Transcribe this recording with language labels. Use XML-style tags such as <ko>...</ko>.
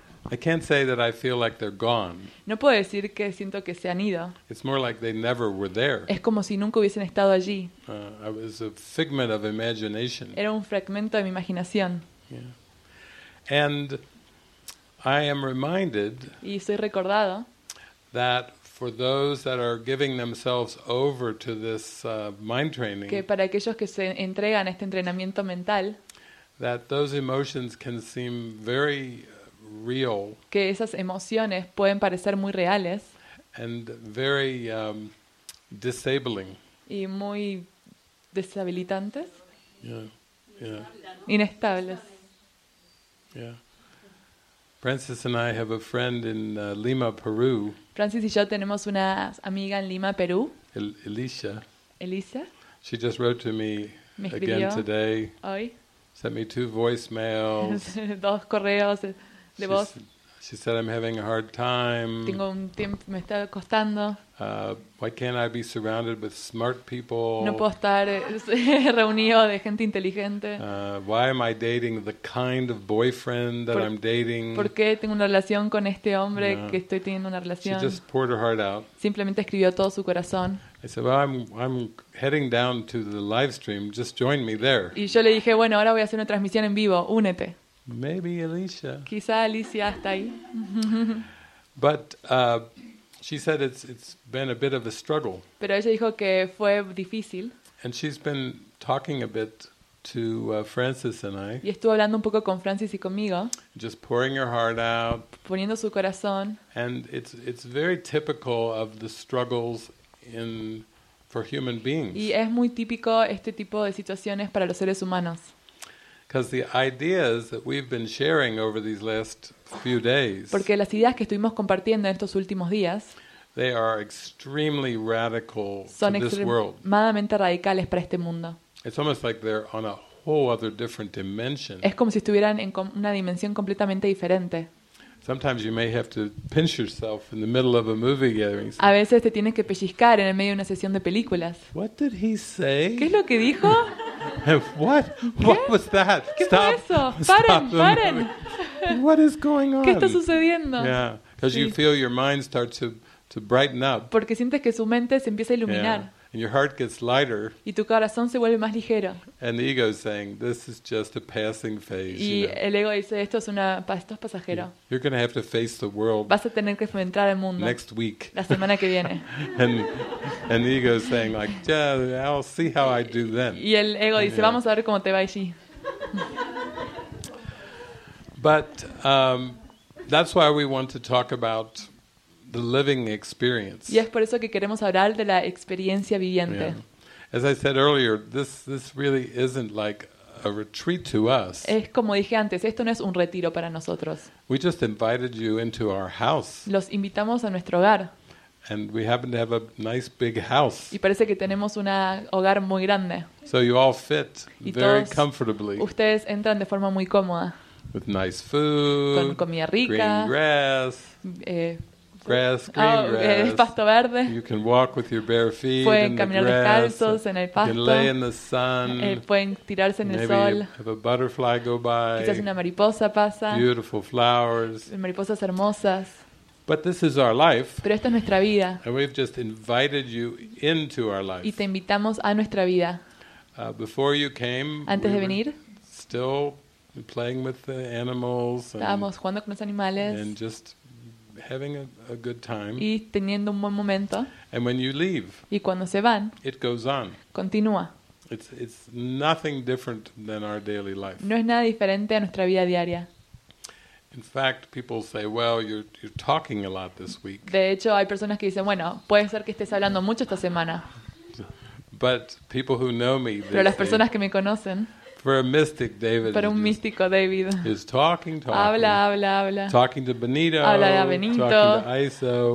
<en>I can't say that I feel like they're gone.</en> <es>No puedo decir que siento que se han ido.</es> <en>It's more like they never were there.</en> <es>Es como si nunca hubiesen estado allí.</es> <en>I was a figment of imagination.</en> <es>Era un fragmento de mi imaginación.</es> <en>Yeah. And I am reminded.</en> <es>Y soy recordado.</es> <en>That for those that are giving themselves over to this mind training.</en> <es>Que para aquellos que se entregan a este entrenamiento mental.</es> <en>That those emotions can seem very real,</en> <es>que esas emociones pueden parecer muy reales,</es> <en>and very disabling,</en> <es>y muy deshabilitantes,</es> <en>yeah.</en> <es>Inestables.</es> <en>Yeah. Francis and I have a friend in Lima, Peru.</en> <es>Francis y yo tenemos una amiga en Lima, Perú.</es> <en>Elisa. Elisa. She just wrote to me again today.</en> <es>Hoy.</es> <en>Sent me 2 voicemails.</en> <es>2 correos.</es> <en>She said, "I'm having a hard time.</en> <es>Tengo un tiempo, me está costando.</es> <en>Why can't I be surrounded with smart people?</en> <es>No puedo estar reunido de gente inteligente.</es> <en>Why am I dating the kind of boyfriend that I'm dating?</en> <es>¿Por qué tengo una relación con este hombre que estoy teniendo una relación?</es> <en>She just poured her heart out.</en> <es>Simplemente escribió todo su corazón.</es> <en>I said, "Well, I'm heading down to the live stream. Just join me there."</en> <es>Y yo le dije, bueno, ahora voy a hacer una transmisión en vivo. Únete.</es> <en>Maybe Alicia.</en> <es>Quizá Alicia está ahí.</es> <en>But she said it's been a bit of a struggle.</en> <es>Pero ella dijo que fue difícil.</es> <en>And she's been talking a bit to Francis and I.</en> <es>Y estuvo hablando un poco con Francis y conmigo.</es> <en>Just pouring her heart out.</en> <es>Poniendo su corazón.</es> <en>And it's very typical of the struggles in for human beings.</en> <es>Y es muy típico este tipo de situaciones para los seres humanos.</es> <en>Because the ideas that we've been sharing over these last few days,</en> <es>porque las ideas que estuvimos compartiendo en estos últimos días,</es> <en>they are extremely radical to this world.</en> <es>Son extremadamente radicales para este mundo.</es> <en>It's almost like they're on a whole other different dimension.</en> <es>Es como si estuvieran en una dimensión completamente diferente.</es> <en>Sometimes you may have to pinch yourself in the middle of a movie gathering.</en> <es>A veces te tienes que pellizcar en el medio de una sesión de películas.</es> <en>What did he say?</en> <es>¿Qué es lo que dijo?</es> <en>What?</en> <es>¿Qué?</es> <en>What was that?</en> <es>¿Qué stop, fue eso? Paren.</es> <en>What is going on?</en> <es>¿Qué está sucediendo?</es> <en>Yeah, because you feel your mind start to brighten up.</en> <es>Porque sientes que su mente se empieza a iluminar.</es> <en>Yeah. And your heart gets lighter.</en> <es>Y tu corazón se vuelve más ligero.</es> <en>And the ego is saying, "This is just a passing phase."</en> <es>Y el ego dice, "Esto es una, esto es pasajero."</es> <en>You're going to have to face the world.</en> <es>Vas a tener que enfrentar el mundo.</es> <en>Next week.</en> <es>La semana que viene.</es> <en>And the ego is saying, "Like, yeah, I'll see how I do then."</en> <es>Y el ego dice, "Vamos a ver cómo te va allí."</es> <en>But that's why we want to talk about the living experience.</en> <es>Y es por eso que queremos hablar de la experiencia viviente.</es> <en>Yeah. As I said earlier, this really isn't like a retreat to us.</en> <es>Es como dije antes, esto no es un retiro para nosotros.</es> <en>We just invited you into our house.</en> <es>Los invitamos a nuestro hogar.</es> <en>And we happen to have a nice big house.</en> <es>Y parece que tenemos un hogar muy grande.</es> <en>So you all fit very comfortably.</en> <es>Ustedes entran de forma muy cómoda.</es> <en>With nice food.</en> <es>Con comida rica.</es> <en>Green grass. Grass, green grass.</en> <es>Pasto verde.</es> <en>You can walk with your bare feet.</en> <es>Pueden</es> <en>in</en> <es>caminar</es> <en>the grass.</en> <es>Descalzos en el pasto.</es> <en>You can lay in the sun.</en> <es>Pueden tirarse en</es> <en>maybe</en> <es>el sol.</es> <en>Have a butterfly go by.</en> <es>Quizás una mariposa pasa.</es> <en>Beautiful flowers.</en> <es>Mariposas hermosas.</es> <en>But this is our life.</en> <es>Pero esta es nuestra vida.</es> <en>And we've just invited you into our life.</en> <es>Y te invitamos a nuestra vida.</es> <en>Before you came,</en> <es>antes de venir,</es> <en>still playing with the animals.</en> <es>Estábamos jugando con los animales.</es> <en>And just having a good time.</en> <es>Y teniendo un buen momento.</es> <en>And when you leave.</en> <es>Y cuando se van.</es> <en>It goes on.</en> <es>Continúa.</es> <en>It's nothing different than our daily life.</en> <es>No es nada diferente a nuestra vida diaria.</es> <en>In fact, people say, "Well, you're talking a lot this week."</en> <es>De hecho, hay personas que dicen, "Bueno, puede ser que estés hablando mucho esta semana."</es> <en>But people who know me,</en> <es>pero las personas que me conocen,</es> <en>for a mystic David,</en> <es>para un místico David,</es> <en>is talking,</en> <es>habla,</es> <en>talking to Benito,</en> <es>habla a Benito,</es> <en>talking to ISO,</en>